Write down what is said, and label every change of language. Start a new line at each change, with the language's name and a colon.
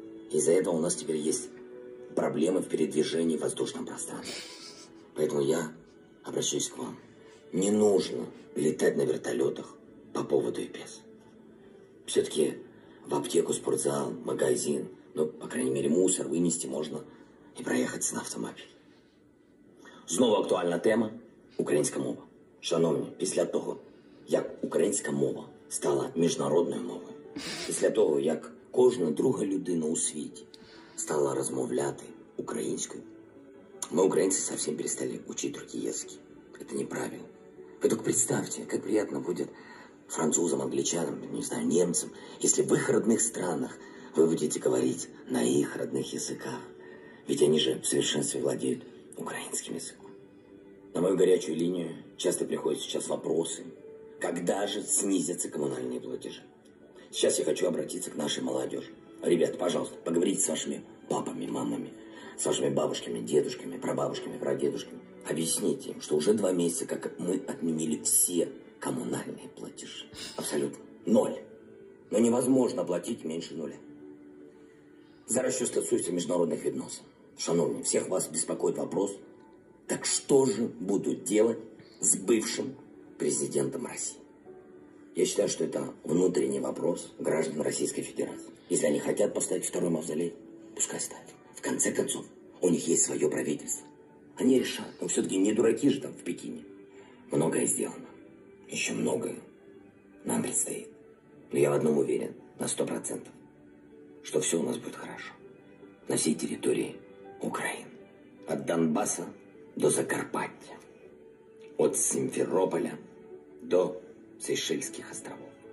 Russian: Из-за этого у нас теперь есть проблемы в передвижении в воздушном пространстве. Поэтому я обращаюсь к вам. Не нужно летать на вертолетах по поводу и без. Все-таки в аптеку, спортзал, магазин, ну, по крайней мере, мусор вынести можно и проехаться на автомобиле. Снова актуальна тема украинская
Ukrainian: мова. Шановні, після того, як українська мова стала міжнародною мовою, після того, як кожна друга людина у світі стала розмовляти українською, ми, українці, зовсім перестали вчити другі язики. Це неправильно. Ви тільки представте, як приємно буде французам, англичанам, не знаю, немцям, якщо в їх рідних странах ви будете говорити на їх рідних язиках. Ведь вони ж в совершенстві владіють украинским языком.
Russian: На мою горячую линию часто приходят сейчас вопросы, когда же снизятся коммунальные платежи. Сейчас я хочу обратиться к нашей молодежи. Ребят, пожалуйста, поговорите с вашими папами, мамами, с вашими бабушками, дедушками, прабабушками, прадедушками. Объясните им, что уже 2 месяца, как мы отменили все коммунальные платежи. Абсолютно. Ноль. Но невозможно платить меньше нуля. За расчет отсутствия международных взносов.
Ukrainian: Шановні, всіх вас беспокоїть вопрос, так що ж будуть делать з бывшим президентом Росії? Я считаю, що це внутрішній вопрос граждан Російської Федерації. Якщо вони хочуть поставити второй мавзолей, пускай ставлять.
Russian: В конце концов,
Ukrainian: у них є своє правительство. Вони рішать, ну все-таки не дураки ж там в Пекіні.
Russian: Многое сделано. Ще многое нам предстоит. Но я в одному уверен на 100%,
Ukrainian: що все у нас буде
Russian: хорошо.
Ukrainian: На всій території Украины.
Russian: От Донбасса
Ukrainian: до Закарпаття.
Russian: От Симферополя до Сейшельских островов.